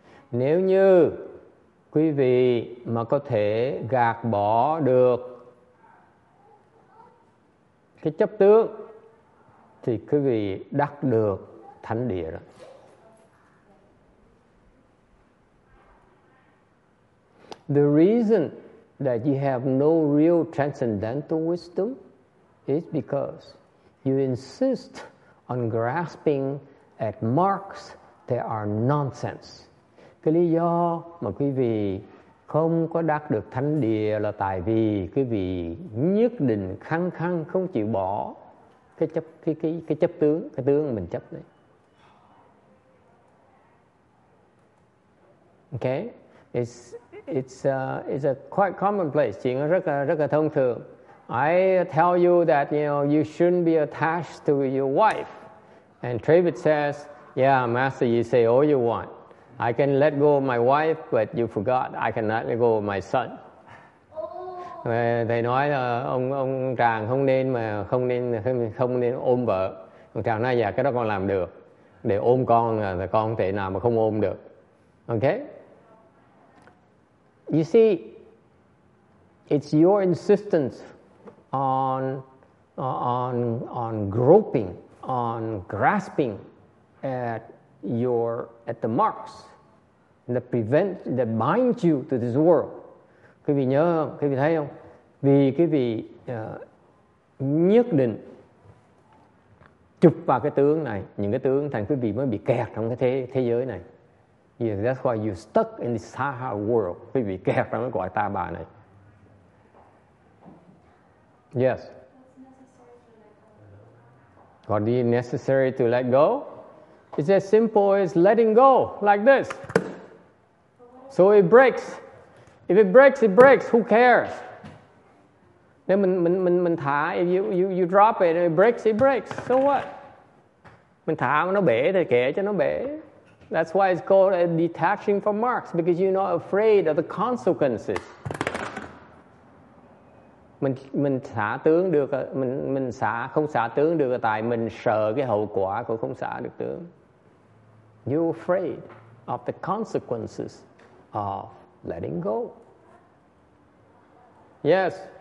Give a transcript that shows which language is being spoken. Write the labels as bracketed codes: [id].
[vi] Nếu như quý vị mà có thể gạt bỏ được cái chấp tướng thì quý vị đắc được thánh địa rồi. [en] The reason that you have no real transcendental wisdom is because you insist on grasping at marks that are nonsense. [vi] Cái lý do mà quý vị không có đạt được thánh địa là tại vì quý vị nhất định khăng khăng không chịu bỏ cái tướng mình chấp đấy. [en] Okay, it's a quite commonplace, [vi] chuyện rất là thông thường. [en] I tell you that you shouldn't be attached to your wife. And Travis says, yeah, Master, you say all you want. I can let go of my wife, but you forgot I cannot let go of my son. [vi] Thầy nói là ông Tràng không nên ôm vợ. Ông Tràng nói, dạ, cái đó con làm được. Để ôm con là con thể nào mà không ôm được. [en] Okay? You see, it's your insistence on groping, on grasping at the marks that binds you to this world. [vi] Quý vị nhớ không? Quý vị thấy không? Vì quý vị nhất định chụp vào cái tướng này, những cái tướng thành quý vị mới bị kẹt trong cái thế giới này. [en] Yeah, that's why you're stuck in the Sahara world. [vi] Quý vị kẹt trong cái quả ta bà này. [en] Yes. What is necessary to let go? It's as simple as letting go, like this. So it breaks. If it breaks, it breaks. Who cares? [vi] Nếu mình thả, [en] if you drop it, it breaks. So what? [vi] Mình thả nó bể thì kệ cho nó bể. [en] That's why it's called a detaching from marks, because you're not afraid of the consequences. [vi] Mình xả tướng được, mình xả không xả tướng được tại mình sợ cái hậu quả của không xả được tướng. [en] You're afraid of the consequences of letting go. Yes.